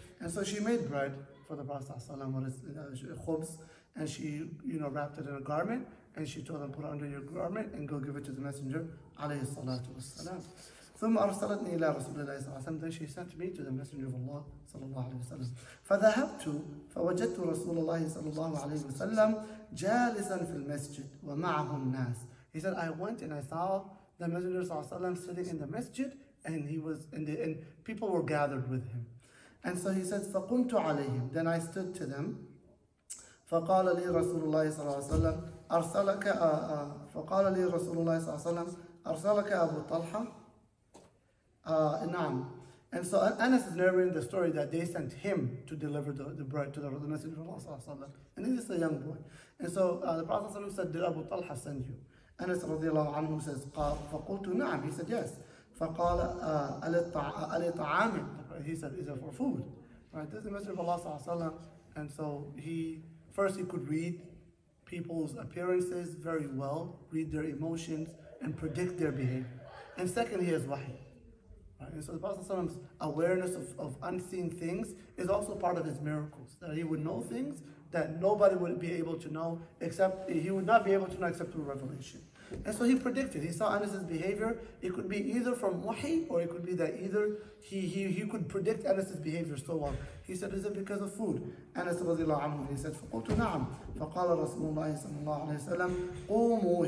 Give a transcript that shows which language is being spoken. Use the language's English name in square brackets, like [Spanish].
[English] And so she made bread for the Prophet khubz, and she, you know, wrapped it in a garment, and she told him, put it under your garment and go give it to the Messenger alayhi salatu wasalam. [Arabic] ثم أرسلتني إلى رسول الله صلى الله عليه وسلم. [English] Then she sent me to the Messenger of Allah صلى الله عليه وسلم. [Arabic] فذهبت فوجدت رسول الله صلى الله عليه وسلم جالسا في المسجد ومعه الناس. [English] He said, I went and I saw the Messenger صلى الله عليه وسلم sitting in the masjid, and he was in the, and people were gathered with him. And so he said, [Arabic] فقمت عليهم. [English] Then I stood to them. [Arabic] فقال لي رسول الله صلى الله عليه وسلم أرسلك فقال لي رسول الله صلى الله عليه وسلم أرسلك أبو طلحة. [English] And so Anas is narrating the story that they sent him to deliver the bread to the Messenger of Allah. And this is a young boy. And so the Prophet said, did Abu Talha send you? Anas radiallahu anhu says, [Arabic] فقلت نعم. [English] He said, yes. [Arabic] فقال ألي طعام. [English] He said, is it for food? Right? This is the Messenger of Allah. And so he could read people's appearances very well, read their emotions, and predict their behavior. And second, he has wahi. Right. And so the Prophet's awareness of unseen things is also part of his miracles. That he would know things that nobody would be able to know except, he would not be able to know except through revelation. And so he predicted, he saw Anas' behavior. It could be either from wahi, or it could be that either he could predict Anas' behavior so well. He said, is it because of food? [Arabic] Anas radiallahu anhu, he said, فَقُلْتُ نَعَمْ فَقَالَ رَسُولُ اللَّهِ صَلَّى اللَّهُ عَلَيْهِ وَسَلَّمَ قُومُوا.